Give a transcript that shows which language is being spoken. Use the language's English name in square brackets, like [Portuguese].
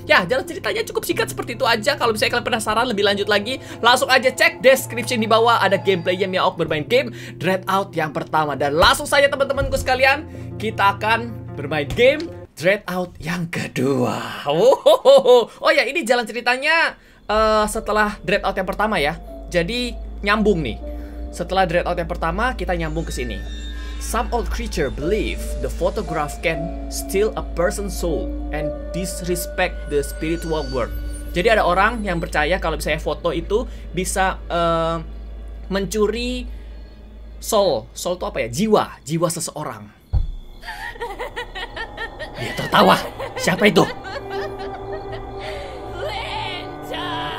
[Indonesian] Ya, jalan ceritanya cukup singkat seperti itu aja. Kalau misalnya kalian penasaran lebih lanjut lagi, langsung aja cek description di bawah, ada gameplaynya Miau Auk bermain game Dread Out yang pertama. Dan langsung saja teman-temanku sekalian, kita akan bermain game Dread Out yang kedua. Oh ya, ini jalan ceritanya setelah Dread Out yang pertama ya. Jadi nyambung nih. Setelah Dread Out yang pertama, kita nyambung ke sini. [English] Some old creature believe the photograph can steal a person's soul and disrespect the spiritual world. [Indonesian] Jadi ada orang yang percaya kalau misalnya foto itu bisa mencuri soul. Soul itu apa ya? Jiwa seseorang. Dia tertawa. Siapa itu? Linda.